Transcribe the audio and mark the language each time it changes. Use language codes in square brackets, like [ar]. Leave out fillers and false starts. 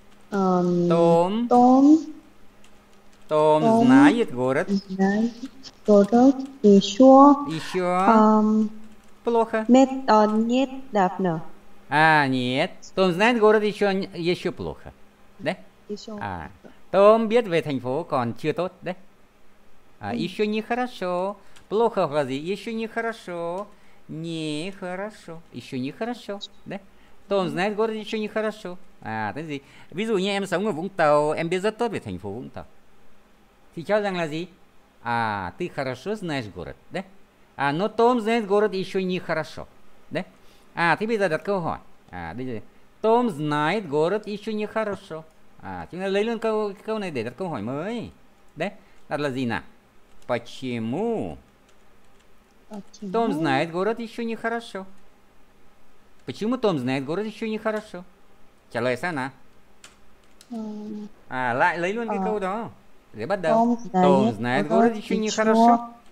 [ru] Tom. Tom знает город. Знает город. Еще. Плохо. Нет, нет, давно. А, нет. Том знает город еще плохо. Да? Еще. [vi] А, Том biết về thành phố còn chưa tốt. [ru] Да? А, еще не хорошо. Плохо в разе. Еще не хорошо. Не хорошо. Еще не хорошо. Да? Том знает город еще не хорошо. А, это [vi] gì? Ví dụ như em sống ở Vũng Tàu, em biết rất tốt về thành phố Vũng Tàu. Thì cho rằng là gì? [ru] À, ты хорошо знаешь город. Да? А, но Том знает город еще не хорошо. Да? [vi] À, thế bây giờ đặt câu hỏi. À, đây là [ru] Tom знает город еще не хорошо. [vi] À, chúng ta lấy luôn câu này để đặt câu hỏi mới. Đấy, đặt là gì nào? [ru] Почему Tom знает город еще не хорошо? Почему Tom знает город еще не хорошо? [vi] Trả lời sao nào? À, lại lấy luôn cái câu đó để bắt đầu. [ru] Tom знает город еще не хорошо.